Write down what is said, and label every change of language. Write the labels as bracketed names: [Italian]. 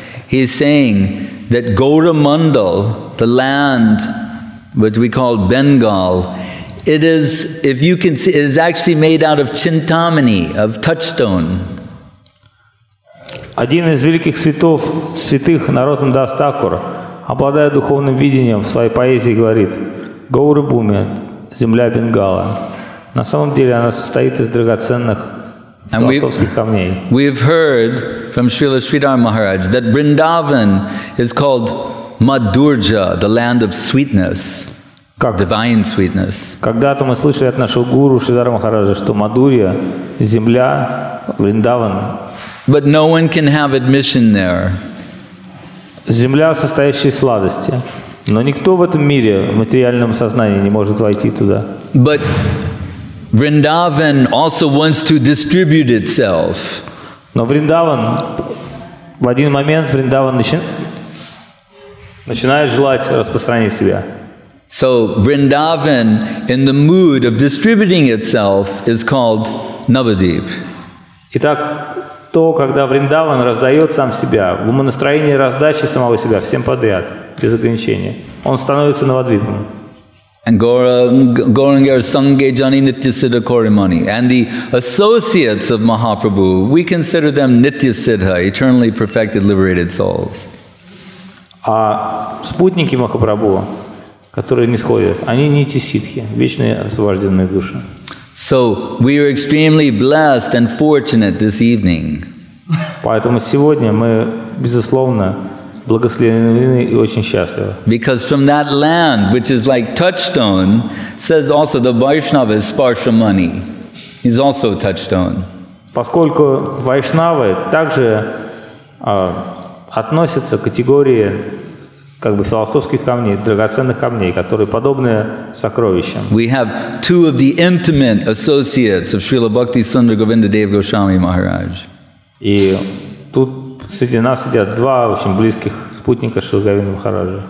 [English] He is saying that Gaura Mandal, the land which we call Bengal, it is, if you can see, it is actually made out of Chintamani, of touchstone. [Russian] Один из великих святов, святых Narottam Das Thakur, обладая духовным видением, в своей поэзии говорит «Гоура Буми, земля Бенгала». На самом деле она состоит из драгоценных философских камней. [English] We've heard from Srila Sridhar Maharaj that Vrindavan is called Madhurja, the land of sweetness, [Russian] как? [English] Divine sweetness. [Russian] Когда-то мы слышали от нашего гуру Шридхара Махараджа, что Мадурья, земля, Вриндаван. [English] But no one can have admission there. [Russian] Земля, состоящая из сладости. Но никто в этом мире в материальном сознании не может войти туда. [English] But Vrindavan also wants to distribute itself. [Russian] Но Вриндаван в один момент Вриндаван начинает желать распространить себя. [English] So Vrindavan in the mood of distributing itself is called Navadvip. [Russian] Итак, то, когда Вриндаван раздает сам себя, в умонастроении раздачи самого себя всем подряд, без ограничения, он становится Навадвипом. [Bangla] And Gauranga Sanghe Jani Nitya Siddha Korimani. [English] And the associates of Mahaprabhu, we consider them Nitya Siddha, eternally perfected liberated souls. [Russian] А спутники Махапрабху, которые нисходят, они Нити Сиддхи, вечные освобожденные души. [English] So we are extremely blessed and fortunate this evening. [Russian] Поэтому сегодня мы безусловно благословлены и очень счастливы. [English] Because from that land, which is like touchstone, says also the Vaishnava is Sparshamani. He's also a touchstone. [Russian] Поскольку Вайшнавы также относятся к категории как бы философских камней, драгоценных камней, которые подобны сокровищам. [English] We have two of the intimate associates of Srila Bhakti Sundara Govinda Dev Goswami Maharaj. [Russian] И тут среди нас сидят два очень близких спутника Шрила Говинды Махараджа.